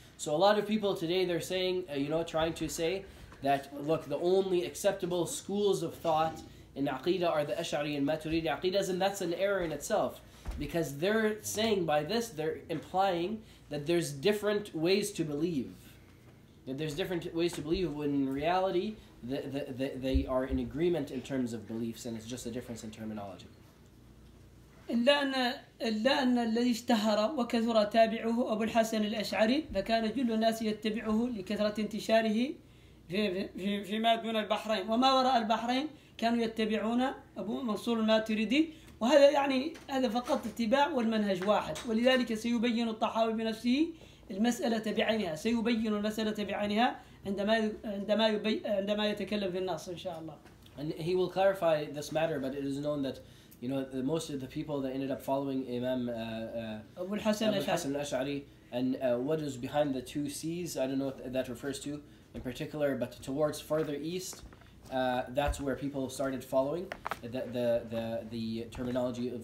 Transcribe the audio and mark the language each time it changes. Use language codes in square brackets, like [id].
[en] So a lot of people today, they're saying, trying to say that, look, the only acceptable schools of thought in Aqidah are the Ash'ari and Maturidi Aqidahs, and that's an error in itself. Because they're saying by this, they're implying that there's different ways to believe. That there's different ways to believe when in reality they are in agreement in terms of beliefs and it's just a difference in terminology. [ar] إلا أن الذي اشتهر وكثر تابعه أبو الحسن الأشعري فكان جل الناس يتبعه لكثرة انتشاره فيما دون البحرين وما وراء البحرين كانوا يتبعون أبو منصور الماتريدي وهذا يعني هذا فقط اتباع والمنهج واحد ولذلك سيبين الطحاوي بنفسه المسألة بعينها سيبين المسألة بعينها عندما يتكلم في النص إن شاء الله. [en] And he will clarify this matter, but it is known that you know most of the people that ended up following Imam Abu al-Hasan al-Ash'ari, and what is behind the two seas, I don't know what that refers to in particular, but towards further east. That's where people started following the terminology of